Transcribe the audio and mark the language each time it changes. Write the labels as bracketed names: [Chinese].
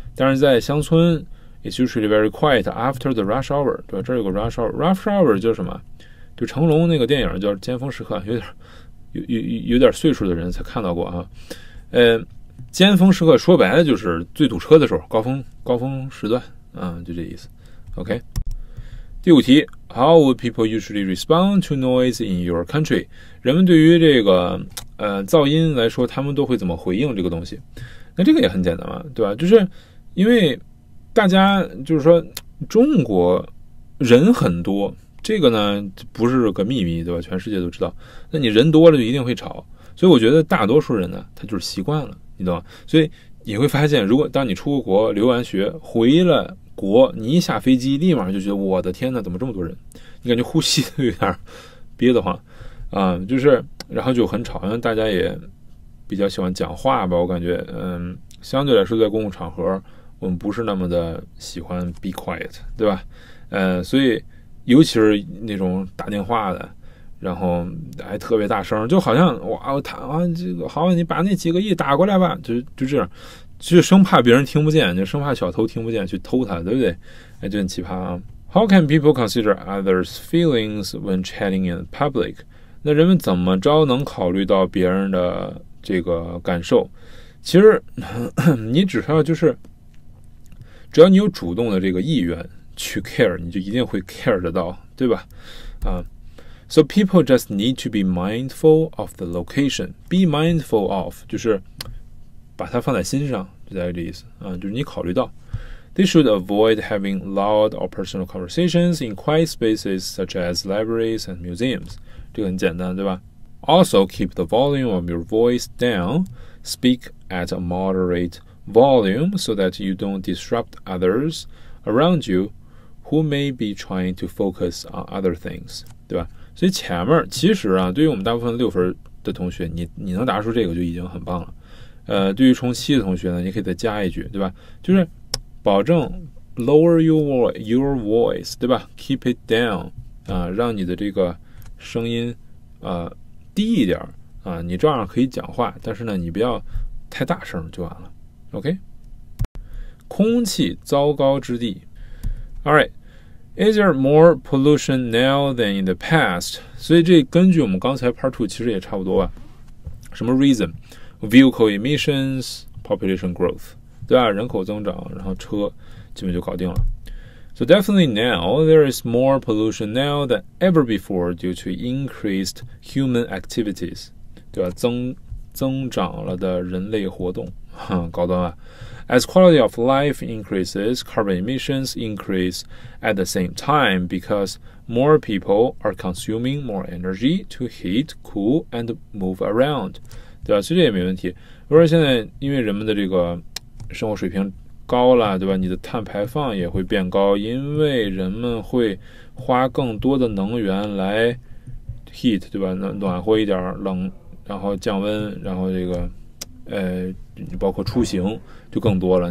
[Chinese] 但是在乡村 [English] it's usually very quiet after the rush hour， 对吧？ [Chinese] 这有个 rush hour， rush hour 就是什么，就成龙那个电影叫尖峰时刻，有点岁数的人才看到过啊。尖峰时刻说白了就是最堵车的时候，高峰时段，就这意思。 [English] OK， 第五题，How would people usually respond to noise in your country? [Chinese] 人们对于这个噪音来说，他们都会怎么回应这个东西？那这个也很简单嘛，对吧？就是因为大家就是说中国人很多，这个呢不是个秘密，对吧？全世界都知道。那你人多了就一定会吵，所以我觉得大多数人呢，他就是习惯了，你懂吗？所以你会发现，如果当你出国留完学回了。国，你一下飞机立马就觉得我的天哪，怎么这么多人，你感觉呼吸都有点憋得慌啊，就是然后就很吵，因为大家也比较喜欢讲话吧，我感觉相对来说在公共场合我们不是那么的喜欢 [English] be quiet， [Chinese] 对吧？所以尤其是那种打电话的，然后还特别大声，就好像哇，我谈啊，这个好，你把那几个亿打过来吧，就这样，就生怕别人听不见，就生怕小偷听不见去偷他，对不对？哎，就很奇葩啊。 [English] How can people consider others' feelings when chatting in public？ [Chinese] 那人们怎么着能考虑到别人的这个感受？其实你只需要就是，只要你有主动的这个意愿去 care， 你就一定会 care 得到，对吧？ [English] So people just need to be mindful of the location. Be mindful of [Chinese] 就是把它放在心上，就在这意思啊，就是你考虑到。 [English] They should avoid having loud or personal conversations in quiet spaces such as libraries and museums. [Chinese] 这个很简单，对吧？ [English] Also, keep the volume of your voice down. Speak at a moderate volume so that you don't disrupt others around you who may be trying to focus on other things. [Chinese] 对吧？所以前面其实啊，对于我们大部分六分的同学，你能答出这个就已经很棒了。对于冲七的同学呢，你可以再加一句，对吧？就是保证 [English] lower your voice， [Chinese] 对吧？ [English] Keep it down， [Chinese] 让你的这个声音低一点你照样可以讲话，但是呢，你不要太大声就完了。 OK， 空气糟糕之地。All right。 [English] Is there more pollution now than in the past? [Chinese] 所以这根据我们刚才 part 2其实也差不多吧。 [English] 什么 reason? Vehicle emissions, population growth. [Chinese] 对啊，人口增长，然后车基本就搞定了。 [English] So definitely now, there is more pollution now than ever before due to increased human activities. [Chinese] 对啊，增长了的人类活动。高端啊。 [English] As quality of life increases, carbon emissions increase at the same time because more people are consuming more energy to heat, cool, and move around. [Chinese] 对吧，其实这也没问题。比如说现在因为人们的这个生活水平高了，对吧，你的碳排放也会变高，因为人们会花更多的能源来 heat, 对吧，暖和一点，冷，然后降温，然后这个包括出行就更多了。